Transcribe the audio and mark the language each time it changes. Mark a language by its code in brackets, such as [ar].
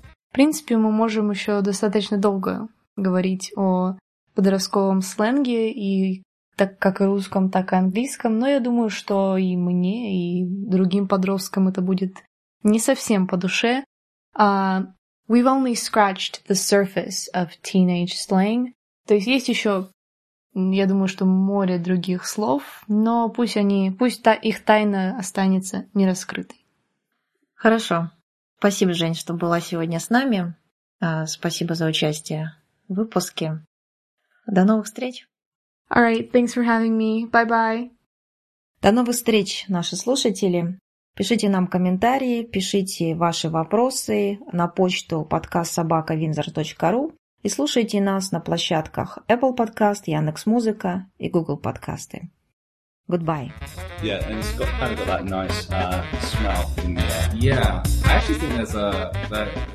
[ru] В принципе, мы можем еще достаточно долго говорить о подростковом сленге, и так как и русском, так и английском, но я думаю, что и мне, и другим подросткам это будет не совсем по душе. [en] We've only scratched the surface of teenage slang. [ru] То есть есть еще, я думаю, что море других слов, но пусть они, пусть их тайна останется нераскрытой. Хорошо. Спасибо, Жень, что была сегодня с нами. Спасибо за участие в выпуске. До новых встреч. [en] All right, thanks for having me. Bye-bye. [ru] До новых встреч, наши слушатели. Пишите нам комментарии, пишите ваши вопросы на почту podcast@windsor.ru и слушайте нас на площадках Apple Podcast, Яндекс.Музыка и Google Подкасты. [en] Goodbye. Yeah, and it's got kind of got that nice smell in the air. Yeah, I actually think there's a... That...